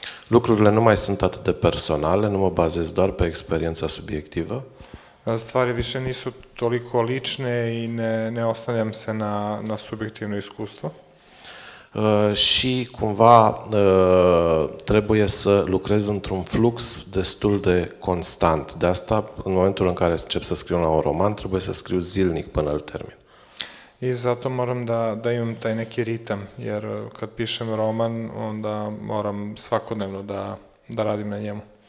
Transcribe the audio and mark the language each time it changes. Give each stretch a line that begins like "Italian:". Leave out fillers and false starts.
Romanian: Lucrurile nu mai sunt atât de personale, nu mă bazez doar pe experiența subiectivă.
Serbian: Stvari više nisu toliko lične i ne ostanem se na subjektivno iskustvo.
Romanian: Și cumva trebuie să lucrez într-un flux destul de constant. De asta, în momentul în care încep să scriu un roman, trebuie să scriu zilnic până îl termin.
Serbian: I zato moram da imam taj neki ritam, jer kad pišem roman, onda moram svakodnevno da radim na njemu.